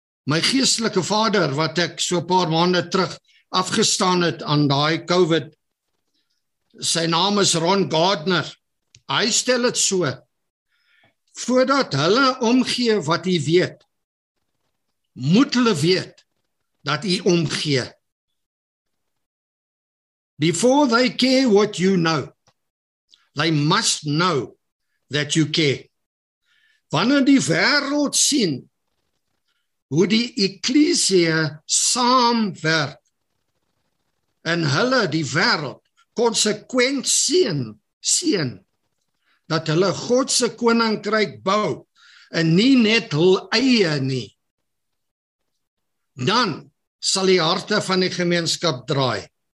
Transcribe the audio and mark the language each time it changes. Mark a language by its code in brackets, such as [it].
[af] My geestelike vader, wat ek so 'n paar maande terug afgestaan het aan daai COVID, sy naam is Ron Gardner. Hy stel het so, voordat hulle omgee wat hy weet, moet hulle weet dat hy omgee. [en] Before they care what you know, they must know that you care. [af] Wanneer die wêreld sien hoe die ekklesia saamwerk en hulle die wêreld konsekwent sien dat hulle God se koninkryk bou en nie net hul eie nie, dan sal die harte van die gemeenskap draai.